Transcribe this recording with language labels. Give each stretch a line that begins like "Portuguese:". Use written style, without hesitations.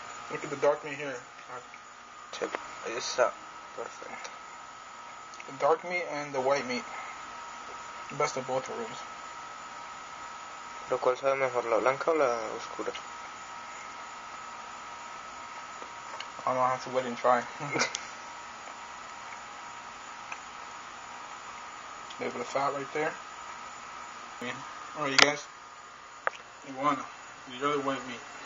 English: Look at the dark meat here. Tip. It's up. Perfect. The dark meat and the white meat. Best of both worlds.
Spanish: ¿Lo cual sabe mejor, la blanca o la oscura?
English: I'm gonna have to wait and try. A little bit of fat right there. Alright, you guys. Iguana. The other white meat.